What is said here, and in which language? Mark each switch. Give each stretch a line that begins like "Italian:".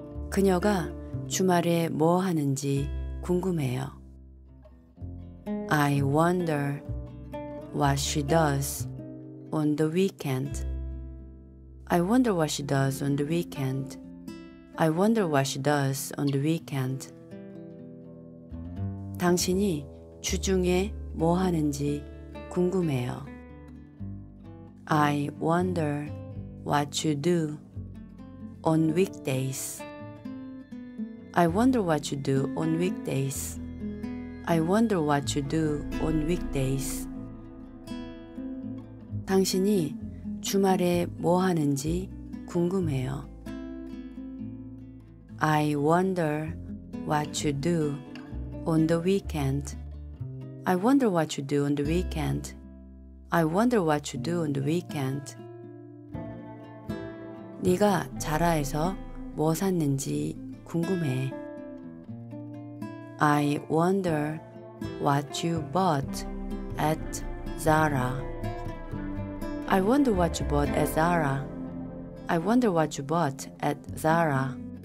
Korean: 그녀가 주말에 뭐 하는지 궁금해요.
English: I wonder what she does on the weekend. I wonder what she does on the weekend. I wonder what she does on the weekend.
Korean: 당신이 주중에 뭐 하는지 궁금해요.
English: I wonder what you do on weekdays. I wonder what you do on weekdays. I wonder what you do on weekdays.
Korean: 당신이 주말에 뭐 하는지 궁금해요.
English: I wonder what you do on the weekend. I wonder what you do on the weekend. I wonder what you do on the weekend.
Korean: 네가 자라에서 뭐 샀는지 궁금해.
English: I wonder what you bought at Zara. I wonder what you bought at Zara. I wonder what you bought at Zara.